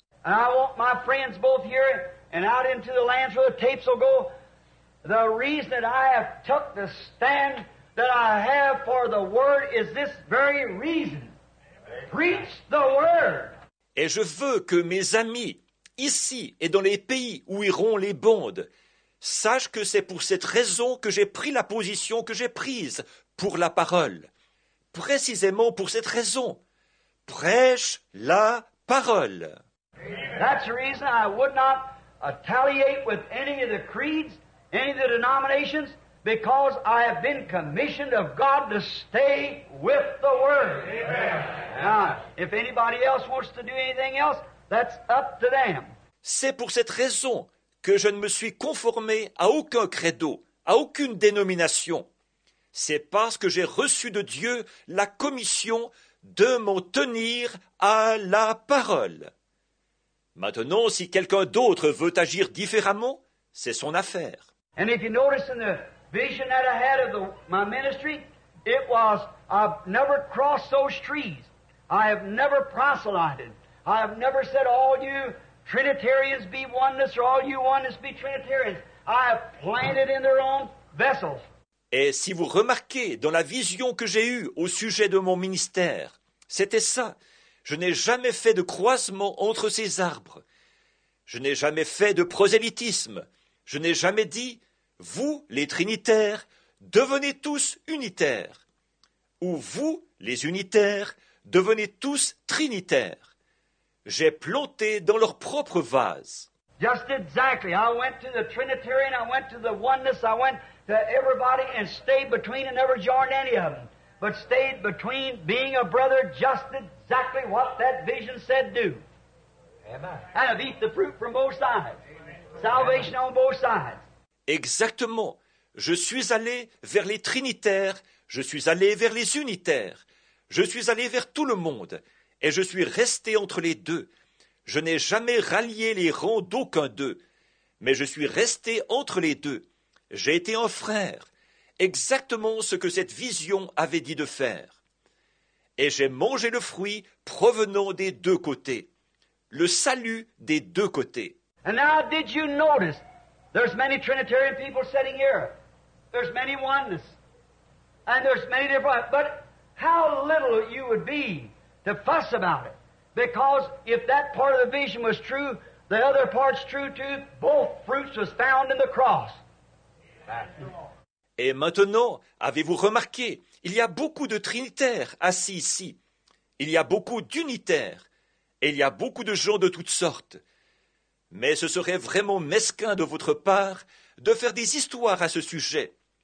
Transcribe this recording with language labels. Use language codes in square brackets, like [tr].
[en] I want my friends both here and out into the lands where the tapes will go. The reason that I have took the stand that I have for the Word is this very reason. Preach the Word. [fr] Et je veux que mes amis, ici et dans les pays où iront les bandes, sachent que c'est pour cette raison que j'ai pris la position que j'ai prise pour la parole. Précisément pour cette raison, prêche la parole. [en] That's the reason I would not retaliate with any of the creeds, any of the denominations, because I have been commissioned of God to stay with the Word. Amen. Now, if anybody else wants to do anything else, that's up to them. [fr] C'est pour cette raison que je ne me suis conformé à aucun credo, à aucune dénomination. C'est parce que j'ai reçu de Dieu la commission de m'en tenir à la parole. Maintenant, si quelqu'un d'autre veut agir différemment, c'est son affaire. [en] And if you notice in the vision that I had of my ministry, it was, I've never crossed those trees. I have never proselyted. I have never said, all you Trinitarians be oneness, or all you oneness be Trinitarians. I have planted in their own vessels. [fr] Et si vous remarquez dans la vision que j'ai eue au sujet de mon ministère, c'était ça. Je n'ai jamais fait de croisement entre ces arbres. Je n'ai jamais fait de prosélytisme. Je n'ai jamais dit, vous, les trinitaires, devenez tous unitaires. Ou vous, les unitaires, devenez tous trinitaires. J'ai planté dans leur propre vase. [en] Just exactly. I went to the Trinitarian, I went to the oneness, I went to everybody and stayed between and never joined any of them, but stayed between being a brother, just exactly what that vision said do. Amen. And have eaten the fruit from both sides. Amen. Salvation on both sides. [fr] Exactement. Je suis allé vers les trinitaires, je suis allé vers les unitaires, je suis allé vers tout le monde, et je suis resté entre les deux. Je n'ai jamais rallié les rangs d'aucun d'eux, mais je suis resté entre les deux. J'ai été un frère, exactement ce que cette vision avait dit de faire. Et j'ai mangé le fruit provenant des deux côtés, le salut des deux côtés. [en] And now, did you notice There's many Trinitarian people sitting here. There's many oneness. And there's many different... But how little you would be to fuss about it. Because if that part of the vision was true, the other part's true too, both fruits was found in the cross. [fr] Et maintenant, avez-vous remarqué, il y a beaucoup de trinitaires assis ici. Il y a beaucoup d'unitaires. Et il y a beaucoup de gens de toutes sortes. Mais ce serait vraiment mesquin de votre part de faire des histoires à ce sujet.